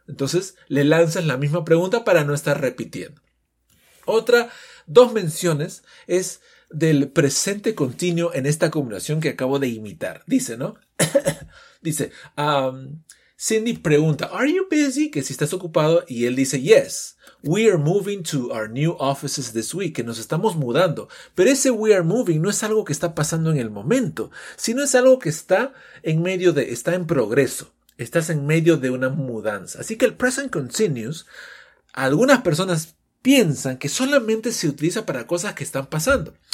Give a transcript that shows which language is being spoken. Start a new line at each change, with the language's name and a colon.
Spanish: Entonces, le lanzan la misma pregunta para no estar repitiendo. Otra, dos menciones, es del presente continuo en esta combinación que acabo de imitar. Dice, ¿no? Dice, Cindy pregunta,
English: are you busy?
Spanish: Que si estás ocupado. Y él dice,
English: yes, we are moving to our new offices this week.
Spanish: Que nos estamos mudando. Pero ese
English: we are moving
Spanish: no es algo que está pasando en el momento, sino es algo que está en medio de, está en progreso. Estás en medio de una mudanza. Así que el present continuous, algunas personas piensan que solamente se utiliza para cosas que están pasando.